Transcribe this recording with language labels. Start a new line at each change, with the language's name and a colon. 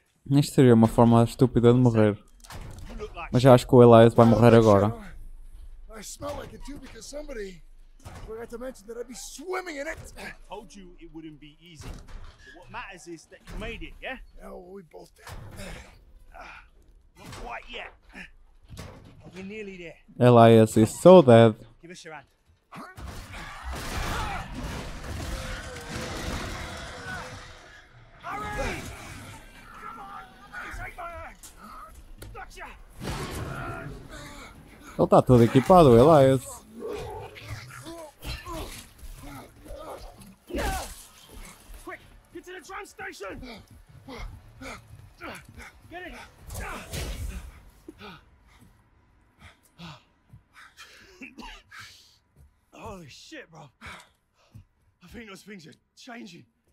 Portuguese: Isto seria uma forma estúpida de morrer. Mas acho que o Elias vai morrer agora.
English: I smell like it too because somebody forgot to mention that I'd be swimming in it. I told you it wouldn't be easy. But what matters is that you made it, yeah? Yeah, well, we both did. Not quite yet. You're nearly there. Elias is so dead. Give us your hand. Hurry! Come on! Let me take my hand! Gotcha!
Portuguese: Ele está todo equipado, Elias.
English: Quick, get to the tram station. Get it. Holy shit, bro. I think those things are changing.